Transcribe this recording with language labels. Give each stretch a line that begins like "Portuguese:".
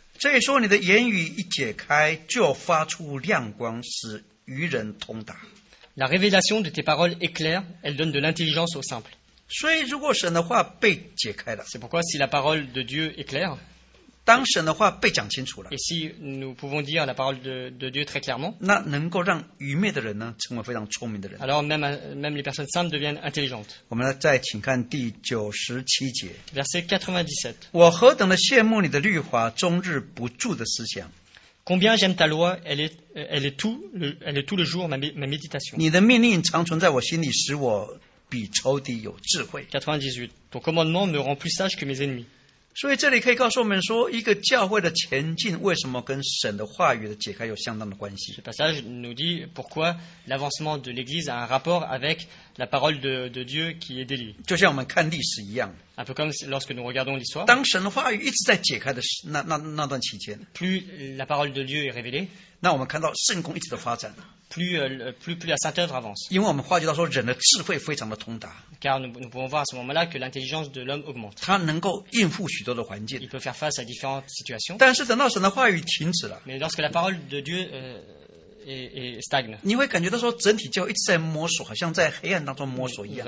Chinese: 这里说你的言语一解开就发出亮光使愚人通达
French: La révélation de tes paroles est claire elle donne de l'intelligence au simple
Chinese: 所以如果神的话被解开了
French: C'est pourquoi si la parole de Dieu est claire
Chinese: 当神的话被讲清楚了
French: Et si nous pouvons dire la parole de Dieu très clairement,
Chinese: 那能够让愚昧的人呢成为非常聪明的人
French: Alors même les personnes simples deviennent intelligentes.
Chinese: 我们再请看第97节
French: Verset 97.
Chinese: 我何等的羡慕你的律法终日不住的思想
French: Combien j'aime ta loi, elle est tout le jour ma méditation.
Chinese: 你的命令常存在我心里使我比仇敌有智慧
French: 98. Ton commandement me rend plus sage que mes ennemis.
Chinese: 所以这里可以告诉我们说一个教会的前进为什么跟神的话语的解开有相当的关系。
French: Ce passage nous dit pourquoi l'avancement de l'église a un rapport avec la parole de Dieu qui est délivrée.
Chinese: 就像我们看历史一样。
French: Un peu comme lorsque nous regardons l'histoire.
Chinese: 当神的话语一直在解开的 那段期间。
French: Plus la parole de Dieu est révélée.
Chinese: 那我们看到圣工一直的发展。
French: Plus la Sainte œuvre avance.
Chinese: 因为我们话就到说人的智慧非常的通达。
French: Car nous pouvons voir à ce moment-là que l'intelligence de l'homme augmente.
Chinese: 他能够应付许多的环境。
French: Il peut faire face à différentes situations.
Chinese: 但是等到神的话语停止了。
French: Mais lorsque la parole de Dieu stagne.
Chinese: 你会感觉到说整体教会一直在摸索，好像在黑暗当中摸索一样。